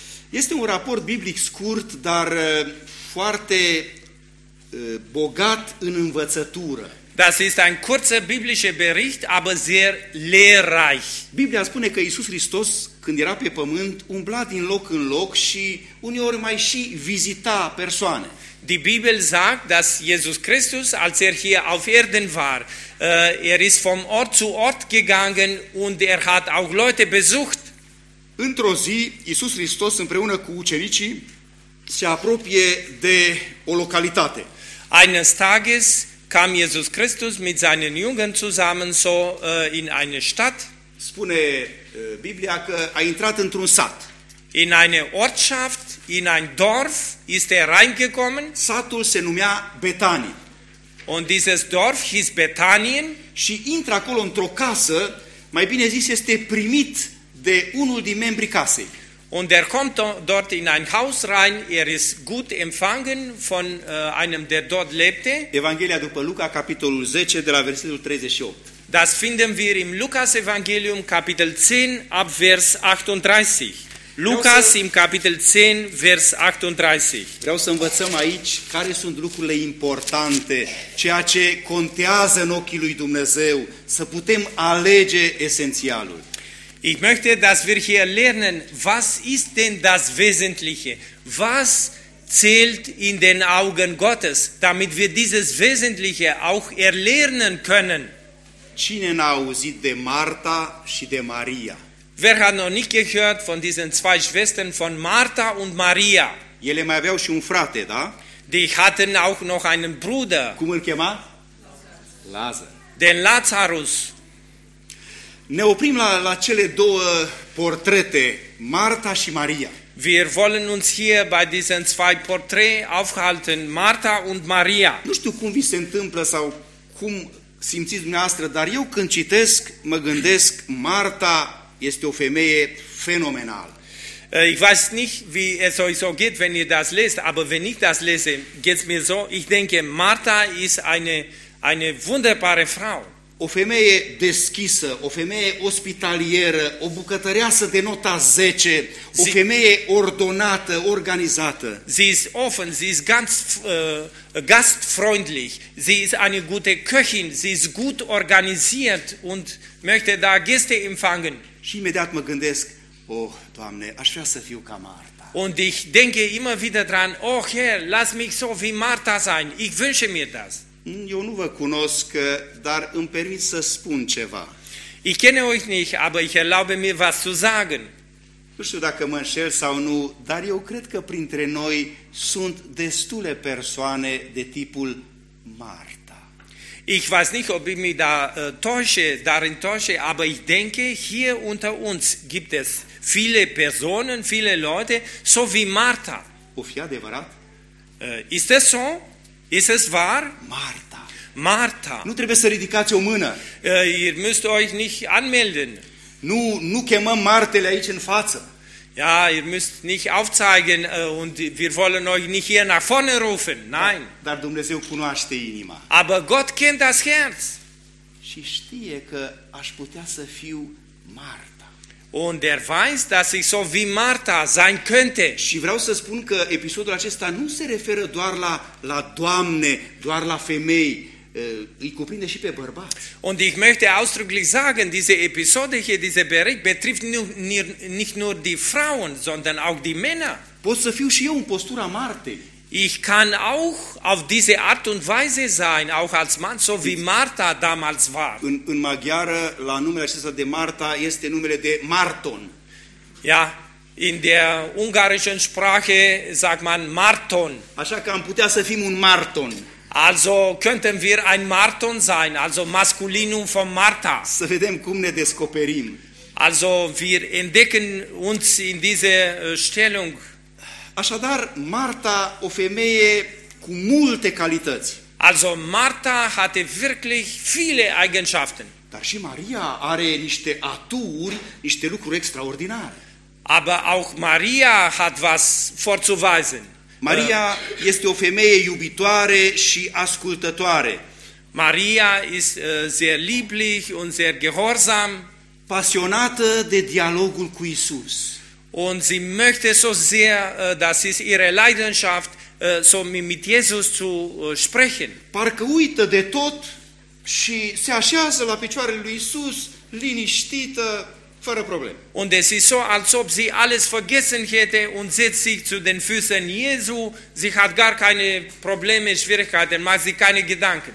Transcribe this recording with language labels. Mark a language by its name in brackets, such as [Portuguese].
[Romanian] Este un raport biblic scurt, dar foarte bogat în învățătură. [German] Das ist ein kurzer biblischer Bericht, aber sehr lehrreich. [Romanian] Biblia spune că Iisus Hristos, când era pe pământ, umbla din loc în loc și uneori mai și vizita persoane. [German] Die Bibel sagt, dass Jesus Christus, als hier auf Erden war, ist vom Ort zu Ort gegangen und hat auch Leute besucht. [Romanian] Într-o zi, Iisus Hristos împreună cu ucenicii se apropie de o localitate. [German] Eines Tages kam Jesus Christus mit seinen Jüngern zusammen so in eine Stadt. [Romanian] Spune Biblia că a intrat într-un sat. [German] In eine Ortschaft, in ein Dorf ist reingekommen. [Romanian] Satul se numea Betanie. [German] Und dieses Dorf hieß Betanien. [Romanian] Și intră acolo într-o casă, mai bine zis, este primit de unul din membrii casei. [German] Und er kommt dort in ein Haus rein, er ist gut empfangen von einem, der dort lebte. [Romanian] Evanghelia după Luca, capitolul 10, de la versetul 38. [German] Das finden wir im Lukas Evangelium, Kapitel 10, ab Vers 38. [Romanian] Lucas în capitolul 10, vers 38. Vreau să învățăm aici care sunt lucrurile importante, ceea ce contează în ochii lui Dumnezeu, să putem alege esențialul. [German] Ich möchte, dass wir hier lernen, was ist denn das Wesentliche? Was zählt in den Augen Gottes, damit wir dieses Wesentliche auch erlernen können? [Romanian] Cine n-a auzit de Marta și de Maria? [German] Wer hat noch nicht gehört von diesen zwei Schwestern, von Martha und Maria? [Romanian] Ele mai aveau și un frate, da? [German] Die hatten auch noch einen Bruder. [Romanian] Cum îl chema? Lazar. [German] Den Lazarus. [Romanian] Ne oprim la cele două portrete, Martha și Maria. [German] Wir wollen uns hier bei diesen zwei Porträts aufhalten, Martha und Maria. [Romanian] Nu știu cum vi se întâmplă sau cum simțiți dumneavoastră, dar eu când citesc, mă gândesc, Martha este o femeie fenomenală. [German] Ich weiß nicht, wie es euch so geht, wenn ihr das lest, aber wenn ich das lese, geht's mir so, ich denke, Martha ist eine wunderbare Frau. [Romanian] O femeie deschisă, o femeie ospitalieră, o bucătăreasă de nota 10, o femeie ordonată, organizată. [German] Sie ist offen, sie ist ganz gastfreundlich, sie ist eine gute Köchin, sie ist gut organisiert und möchte da Gäste empfangen. [Romanian] Și imediat mă gândesc, oh, Doamne, aș vrea să fiu ca Martha. [German] Und ich denke immer wieder dran, oh Herr, lass mich so wie Martha sein. Ich wünsche mir das. [Romanian] Eu nu vă cunosc, dar îmi permit să spun ceva. [German] Ich kenne euch nicht, aber ich erlaube mir was zu sagen. [Romanian] Nu știu dacă mă înșel sau nu, dar eu cred că printre noi sunt destule persoane de tipul Martha. [German] Ich weiß nicht, ob ich mich da täusche, aber ich denke, hier unter uns gibt es viele Personen, viele Leute, so wie Martha. [Romanian] O fi adevărat? [German] Ist es so? Ist es wahr? [Romanian] Martha. [German] Martha. [Romanian] Nu trebuie să ridicați o mână. [German] Ihr müsst euch nicht anmelden. [Romanian] Nu chemăm Martele aici în față. [German] Ja, ihr müsst nicht aufzeigen und wir wollen euch nicht hier nach vorne rufen. Nein. [Romanian] Dar Dumnezeu cunoaște inima. [German] Aber Gott kennt das Herz. [Romanian] Și știe că aș putea să fiu Martha. [German] Und er weiß, dass ich so wie Martha sein könnte. [Romanian] Și vreau să spun că episodul acesta nu se referă doar la Doamne, doar la femei. Îi cuprinde și pe bărbați. [German] Und ich möchte ausdrücklich sagen, diese Episode hier, dieser Bericht betrifft nicht nur die Frauen, sondern auch die Männer. [Romanian] Pot să fiu și eu în postura Martei. [German] Ich kann auch auf diese Art und Weise sein, auch als Mann, so wie Martha damals war. [Romanian] În maghiară, la numele acesta de Martha este numele de Marton. [German] Ja, in der ungarischen Sprache sagt man Marton. [Romanian] Așa că am putea să fim un Marton. [German] Also könnten wir ein Marton sein, also Maskulinum von Martha. [Romanian] Să vedem cum ne descoperim. [German] Also wir entdecken uns in diese Stellung. [Romanian] Așadar, Martha, o femeie cu multe calități. [German] Also Martha hatte wirklich viele Eigenschaften. [Romanian] Dar și Maria are niște aturi, niște lucruri extraordinare. [German] Aber auch Maria hat was vorzuweisen. [Romanian] Maria este o femeie iubitoare și ascultătoare. [German] Maria ist sehr lieblich und sehr gehorsam, [Romanian] pasionată de dialogul cu Isus. [German] Und sie möchte so sehr, das ist ihre Leidenschaft, so mit Jesus zu sprechen. [Romanian] Parcă uită de tot și se așează la picioarele lui Isus, liniștită. Fără probleme. [German] Und es ist so, als ob sie alles vergessen hätte und setzt sich zu den Füßen Jesu. Sie hat gar keine Probleme, Schwierigkeiten, macht sich keine Gedanken.